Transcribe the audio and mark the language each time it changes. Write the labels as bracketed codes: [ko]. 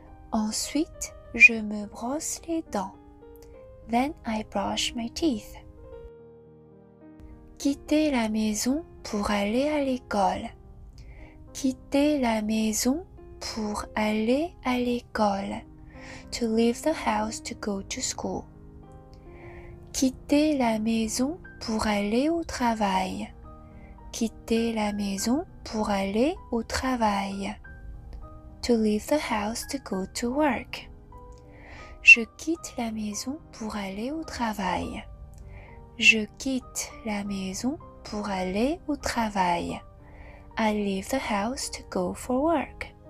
[fr] Ensuite, je me brosse les dents. [en] Then I brush my teeth. [fr] Quitter la maison pour aller à l'école. Quitter la maison pour aller à l'école. [en] To leave the house to go to school. [fr] Quitter la maison pour aller au travail. Quitter la maison pour aller au travail. [en] To leave the house to go to work. [fr] Je quitte la maison pour aller au travail. Je quitte la maison pour aller au travail. [en] I leave the house to go for work.